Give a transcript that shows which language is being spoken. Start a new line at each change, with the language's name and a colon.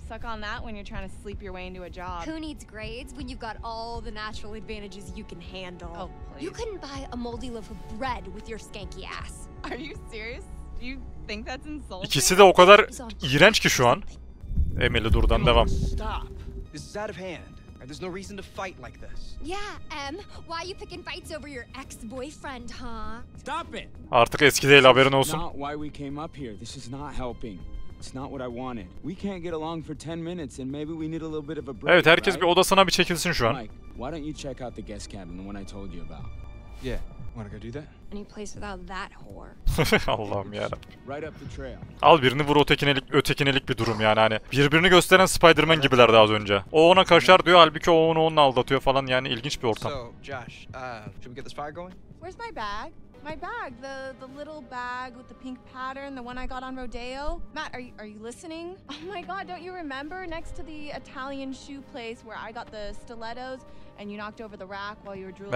English: Suck on that when you're trying to sleep your way into a job. Who needs grades when you've got all the natural advantages you can handle? Oh please. You couldn't buy a moldy loaf of bread with your skanky ass. Are you serious? Do you think that's insulting?
Turkish: İkisi de o kadar iğrenç ki şu an. Emily durdan devam.
English: Stop. This is out of hand. There's no reason to fight like this. Yeah, Em. Why are you picking fights over your ex-boyfriend, huh? Stop it.
Turkish: Artık eski değil, haberin olsun.
English: Not why we came up here. This is not helping. It's not what I wanted. We can't get along for 10 minutes and maybe we need a little bit of a break.
Turkish: Evet, herkes
English: right?
Turkish: Bir odasına bir çekilsin şu an.
English: Mike, why don't you check out the guest cabin, the one I told you about? Yeah. Want to go do that? Any place without that whore.
Turkish: Allah'ım yarabbim. Al birini vur, ötekinelik bir durum yani. Hani birbirini gösteren Spider-Man gibilerdi az önce. O ona kaşar diyor, halbuki o onu aldatıyor falan, yani ilginç bir ortam.
English: So, Josh, should we get this fire going? Where's my bag? My bag, the little bag with the pink pattern, the one I got on Rodeo. Matt, are you listening? Oh my god, don't you remember next to the Italian shoe place where I got the stilettos? And you knocked over the rack while you were drooling.